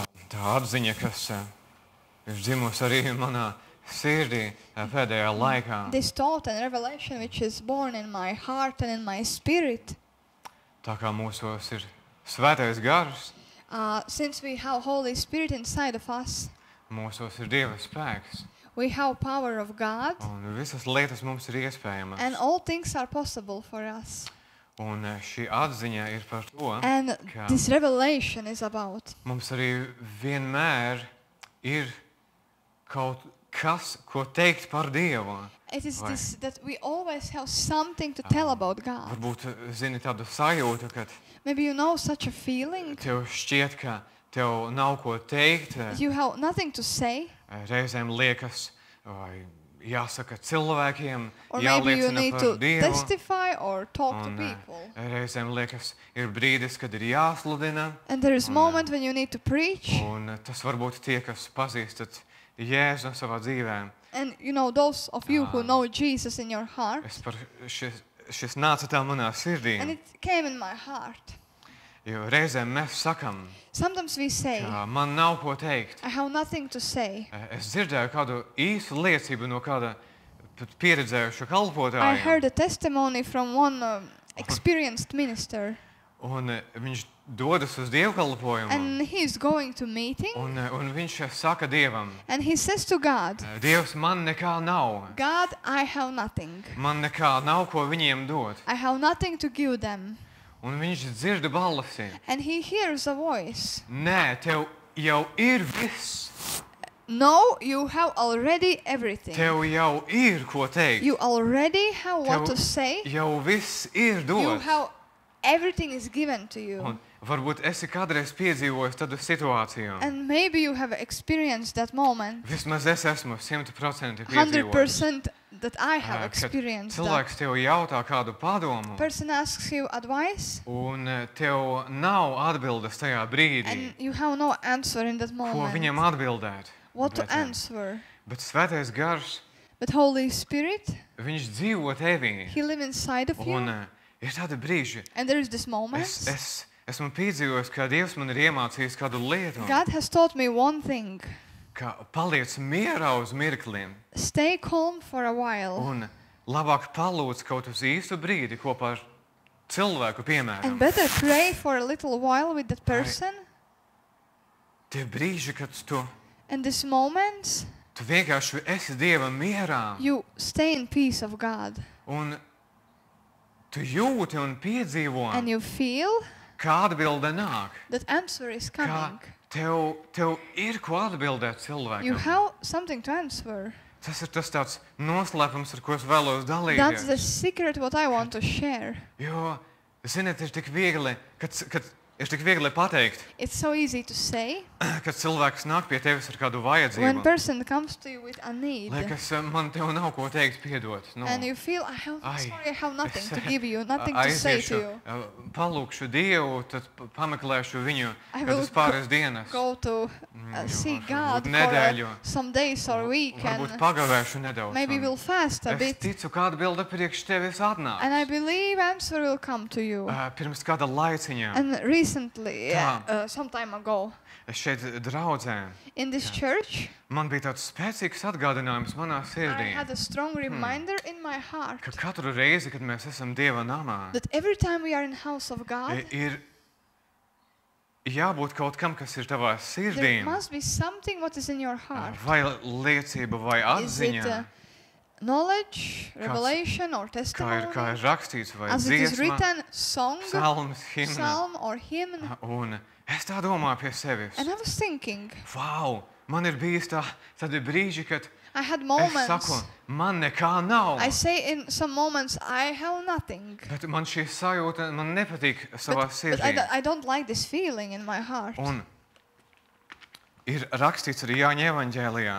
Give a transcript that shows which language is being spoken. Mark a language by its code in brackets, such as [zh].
[lv] Tā apziņa, kas ir dzimusi arī manā sirdī pēdējā laikā. [en] This thought and revelation which is born in my heart and in my spirit. [lv] Tā kā mūsos ir Svētais Gars. [en] Since we have Holy Spirit inside of us. [lv] Mūsos ir Dieva spēks. [en] We have power of God. [lv] Un visas lietas mums ir iespējamas. [en] And all things are possible for us. [lv] Un šī atziņa ir par to, [en] and [lv] ka [en] this revelation is about. [lv] Mums arī vienmēr ir kaut kas, ko teikt par Dievu. [en] It is [lv] vai? [en] This that we always have something to tell about God. [lv] Varbūt zini tādu sajūtu, kad [en] maybe you know such a feeling. [lv] Tev šķiet, ka tev nav ko teikt. [en] You have nothing to say. [lv] Reizēm liekas, vai jāsaka cilvēkiem, jāliecina par Dievu. [en] Testify or talk to people. [lv] Reizēm liekas, ir brīdis, kad ir jāsludina. [en] And there is moment when you need to preach. [lv] Un tas varbūt tie, kas pazīstat Jēzu savā dzīvē. [en] And you know those of you who know Jesus in your heart. [lv] Es par šis nāca tā manā sirdī. [en] And it came in my heart. [lv] Jo reizēm mēs sakam. [en] Sometimes we say. [lv] Ka man nav ko teikt. [en] I have nothing to say. [lv] Es dzirdēju kādu īsu liecību no kāda pieredzējuša kalpotāja. [en] I heard a testimony from one experienced minister. [lv] Un viņš dodas uz dievkalpojumu. [en] And he is going to meeting. [lv] Un viņš saka Dievam. [en] And he says to God. [lv] Dievs, man nekā nav. [en] God, I have nothing. [lv] Man nekā nav ko viņiem dot. [en] I have nothing to give them. [lv] Un viņš dzird balsi. [en] And he hears a voice. [lv] Nē, tev jau ir viss. [en] No, you have already everything. [lv] Tev jau ir ko teikt. [en] You already have what to say. [lv] Jau viss ir dots. [en] Everything is given to you. [lv] Un varbūt esi kādreiz piedzīvojis tādu situāciju. [en] And maybe you have experienced that moment. [lv] Vismaz es esmu 100% [en] 100% that I have experienced. [lv] Cilvēks [en] that. [lv] Tev jautā kādu padomu. [en] Person asks you advice. [lv] Un tev nav atbildes tajā brīdī. [en] And you have no answer in that moment. [lv] Ko viņam atbildēt? [en] What to answer? [lv] Bet Svētais Gars. [en] But Holy Spirit. [lv] Viņš dzīvo tevī. [en] He live inside of [lv] un, [en] you. [lv] Ir tādi brīži. [en] And there is this moment. [lv] Es esmu piedzīvojis, ka Dievs man ir iemācījis kādu lietu. [en] God has taught me one thing. [lv] Ka paliec mierā uz mirkli. [en] Stay calm for a while. [lv] Un labāk palūdz kaut uz īstu brīdi kopā ar cilvēku, piemēram. [en] And better pray for a little while with that person. [lv] Tie brīži, kad tu [en] and this moment. [lv] Tu vienkārši esi Dieva mierā. [en] You stay in peace of God. [lv] Un tu jūti un piedzīvo. [en] And you feel? [lv] Kā atbilde nāk? [en] That answer is coming. [lv] Tev ir ko atbildēt cilvēkam. [en] You have something to answer. [lv] Tas ir tas tāds noslēpums, ar ko es vēlos dalīties. [en] That's the secret what I want to share. [lv] Jo, zinat, ir tik viegli, kad ir tik viegli pateikt. [en] It's so easy to say. [lv] Kad cilvēks nāk pie tevis ar kādu vajadzību. [en] When person comes to you with a need. [lv] Liekas, man tev nav ko teikt, piedot. [en] No. And you feel, I have, sorry, I have nothing to give you, nothing to say to you. [lv] Palūkšu Dievu, tad pameklēšu viņu, kad es pāris dienas. [en] Go to see God for some days or week. [lv] Varbūt pagavēšu nedaudz. [en] Maybe we'll fast a bit. [lv] Es ticu, kā atbilde priekš tevis atnāks. [en] And I believe answer will come to you. [lv] Pirms kāda laiciņa. [en] And recently, some time ago. [lv] Šeit draudzē. [en] In this church. [lv] Man bija tāds spēcīgs atgādinājums manā sirdī. [en] I had a strong reminder in my heart. [lv] Ka katru reizi, kad mēs esam Dieva namā. [en] That every time we are in house of God. [lv] Ir jābūt kaut kam, kas ir tavā sirdī. [en] There must be something what is in your heart. [lv] Vai liecība, vai atziņa. [en] Knowledge, revelation or testimony. [lv] Kā ir rakstīts, vai [en] as [lv] dziesma. [en] As it is written, song. Psalms, hymn. Psalm or hymn. [lv] Un es tā domāju pie sevis. [en] And I was thinking. [lv] Wow, man ir bijis tādi brīži, kad [en] I had moments. [lv] Es saku, man nekā nav. [en] I say in some moments, I have nothing. [lv] Bet man šī sajūta, man nepatīk savā sirdī. [en] But I don't like this feeling in my heart. [lv] Un ir rakstīts arī Jāņa evaņģēlijā.